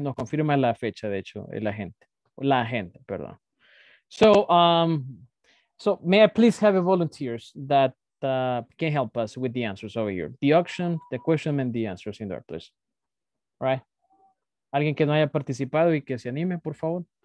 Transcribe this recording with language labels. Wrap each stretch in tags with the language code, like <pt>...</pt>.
<es>No confirma la fecha, de hecho, la gente, perdón.</es> <en>So may I please have a volunteers that can help us with the answers over here. The auction, the question, and the answers in there, please. Right?</en> <es>Alguien que no haya participado y que se anime, por favor.</es>